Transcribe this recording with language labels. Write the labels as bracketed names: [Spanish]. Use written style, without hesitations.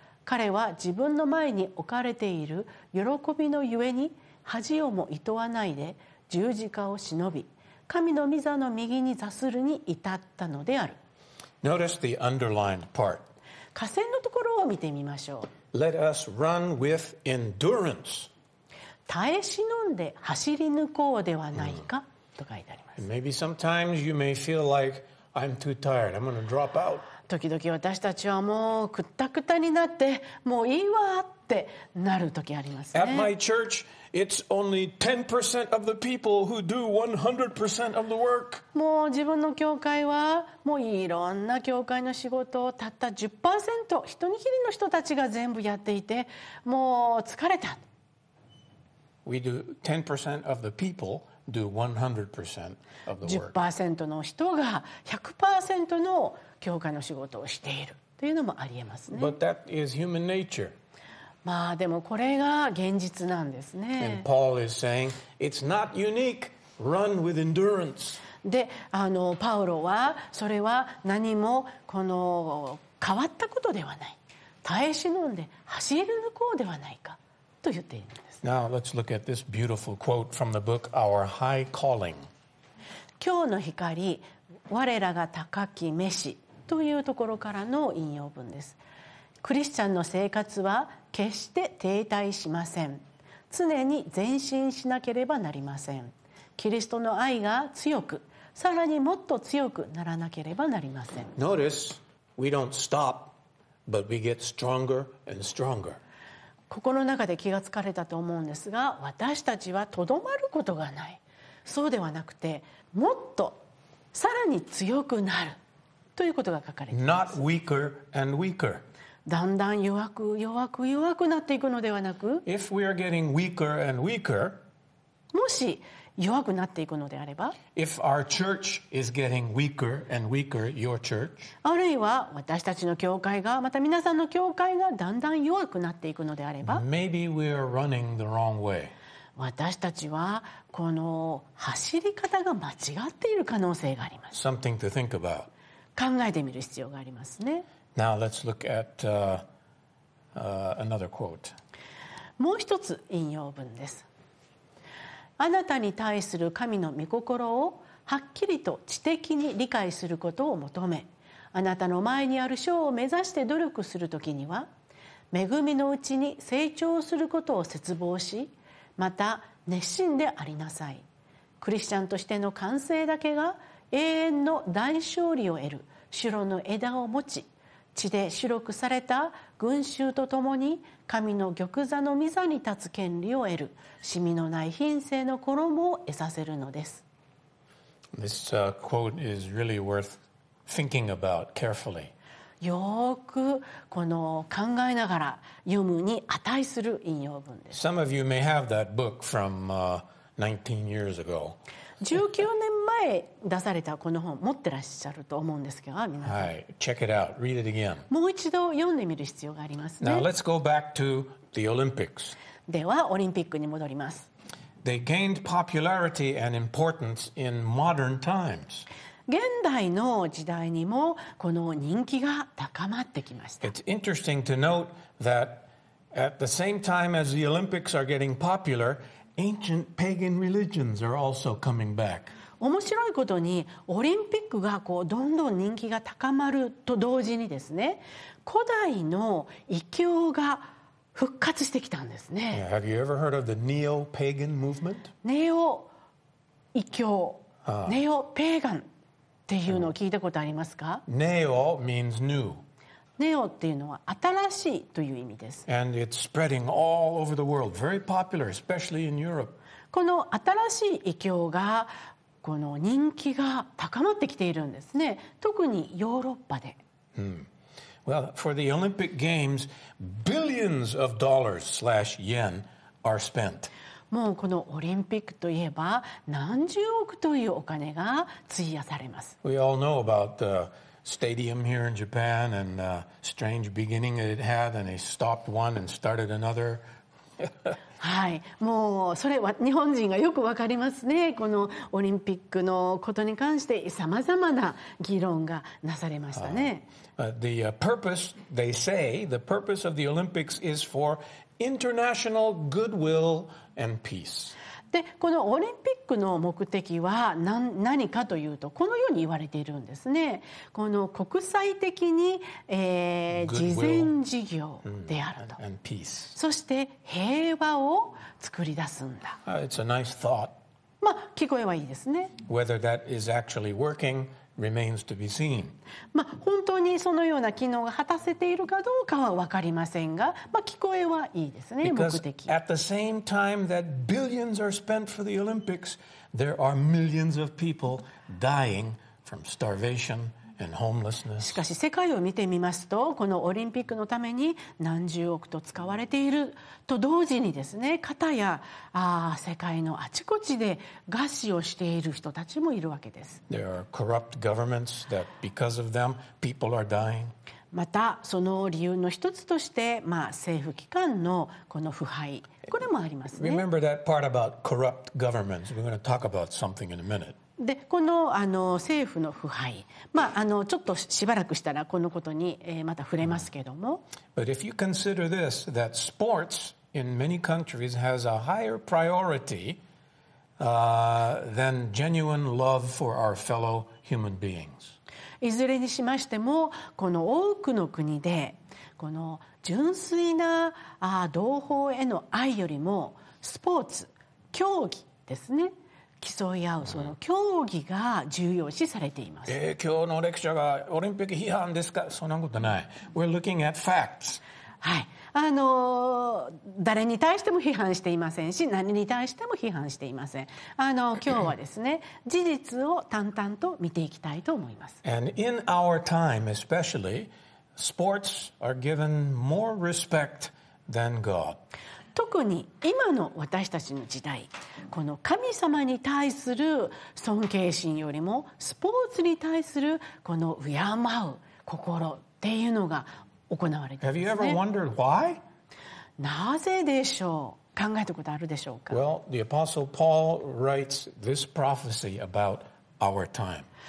[Japanese] 彼は自分の前に置かれている喜びのゆえに恥をも厭わないで十字架を忍び神の御座の右に座するに至ったのである。 [English] Notice the underlined part. [Japanese] 下線のところを見てみましょう。 [English] Let us run with endurance. [Japanese] 耐え忍んで走り抜こうではないかと書いてあります。 [English] Maybe sometimes you may feel like I'm too tired. I'm going to drop out. [Japanese] 時々私たちはもうくったくたになってもういいわってなる時ありますね。 [English] At my church,It's only 10% of the people who do 100% of the work. [Japanese] もう自分の教会はもういろんな教会の仕事をたった 10% 一握りの人たちが全部やっていてもう疲れた。 [English] We do 10% of the people do 100% of the work. [Japanese] 10% の人が 100% の教会の仕事をしているというのもありえますね。 [English] But that is human nature. [Japanese] まあ、でもこれが現実なんですね。 [English] And Paul is saying, it's not unique. Run with endurance. [Japanese] で、パウロはそれは何もこの変わったことではない。耐え忍んで走り抜こうではないかと言っているんです。 [English] Now let's look at this beautiful quote from the book Our High Calling. [Japanese] 今日の光、我らが高き召しというところからの引用文です。クリスチャンの生活は決して停滞しません。常に前進しなければなりません。キリストの愛が強くさらにもっと強くならなければなりません。 [English] Notice we don't stop but we get stronger and stronger. [Japanese] 心の中で気がつかれたと思うんですが私たちはとどまることがない。そうではなくてもっとさらに強くなるということが書かれています。 [English] Not weaker and weaker [Japanese] だんだん弱く弱く弱くなっていくのではなく [English] If we are getting weaker and weaker, [Japanese] もし弱くなっていくのであれば [English] If our church is getting weaker and weaker, your church, [Japanese] あるいは私たちの教会がまた皆さんの教会がだんだん弱くなっていくのであれば [English] Maybe we are running the wrong way. [Japanese] 私たちはこの走り方が間違っている可能性があります。 [English] Something to think about. [Japanese] 考えてみる必要がありますね。 [English] Now let's look at another quote. [Japanese] もう一つ引用文です。あなたに対する神の御心をはっきりと知的に理解することを求め、あなたの前にある賞を目指して努力するときには、恵みのうちに成長することを切望し、また熱心でありなさい。クリスチャンとしての完成だけが永遠の大勝利を得る白の枝を持ち、地で白くされた群衆とともに神の玉座の御座に立つ権利を得る染みのない品性の衣を得させるのです。 [English] This, quote is really worth thinking about carefully. [Japanese] よくこの考えながら読むに値する引用文です。 [English] Some of you may have that book from, 19 years ago. [Japanese] 19年前出されたこの本持ってらっしゃると思うんですけど皆さん、 [English] はい、Check it out. Read it again. [Japanese] もう一度読んでみる必要がありますね。 [English] Now let's go back to the Olympics. [Japanese] ではオリンピックに戻ります。 [English] They gained popularity and importance in modern times. [Japanese] 現代の時代にもこの人気が高まってきました。 [English] It's interesting to note that at the same time as the Olympics are getting popularAncient pagan religions are also coming back. [Japanese] 面白いことにオリンピックがこうどんどん人気が高まると同時にですね、古代の異教が復活してきたんですね。 [English] Yeah, have you ever heard of the neo-pagan movement? [Japanese] ネオ異教、ネオペーガンっていうのを聞いたことありますか？ [English] Neo means new. [Japanese] ネオっていうのは新しいという意味です。 [English] And it's spreading all over the world, very popular, especially in Europe. [Japanese] この新しい異教がこの人気が高まってきているんですね。特にヨーロッパで。 [English] Well, for the Olympic Games, billions of dollars / yen are spent. [Japanese] もうこのオリンピックといえば何十億というお金が費やされます。 [English] We all know about the stadium here in Japan and strange beginning that it had and they stopped one and started another [Japanese] はい、もうそれは日本人がよく分かりますね。このオリンピックのことに関してさまざまな議論がなされましたね。 [English] The purpose, they say, the purpose of the Olympics is for international goodwill and peace. [Japanese] で、このオリンピックの目的は 何かというと、このように言われているんですね。この国際的に、慈善事業であると。 [English] And peace. [Japanese] そして平和を作り出すんだ。 [English] It's a nice thought. [Japanese] まあ、聞こえはいいですね。 [English] Whether that is actually working. Remains to be seen. [Japanese] まあ、本当にそのような機能が果たせているかどうかは分かりませんが、まあ、聞こえはいいですね、 [English] Because、 [Japanese] 目的。 [English] At the same time that billions are spent for the Olympics, there are millions of people dying from starvation and homelessness. [Japanese] しかし世界を見てみますと、このオリンピックのために何十億と使われていると同時にですね、かたや世界のあちこちで餓死をしている人たちもいるわけです。 [English] There are corrupt governments that because of them, people are dying. [Japanese] またその理由の一つとして、まあ、政府機関のこの腐敗、これもありますね。 [English] Remember that part about corrupt governments. We're going to talk about something in a minute. [Japanese] でこ の, あの政府の腐敗、まあ、あのちょっと しばらくしたらこのことに、また触れますけれども。 [English] But if you consider this, that sports in many countries has a higher priority, than genuine love for our fellow human beings. [Japanese] いずれにしましても、この多くの国で、この純粋な同胞への愛よりも、スポーツ、競技ですね。競い合うその競技が重要視されています、今日のレクチャーがオリンピック批判ですか？そんなことない。 [English] We're looking at facts. [Japanese] はい、誰に対しても批判していませんし、何に対しても批判していません。今日はですね事実を淡々と見ていきたいと思います。 [English] And in our time especially, sports are given more respect than God. [Japanese] 特に今の私たちの時代、この神様に対する尊敬心よりもスポーツに対するこの敬う心っていうのが行われていますね。 [English] Have you ever wondered why? [Japanese] なぜでしょう？考えたことあるでしょうか？ [English] Well, the Apostle Paul writes this prophecy about our time.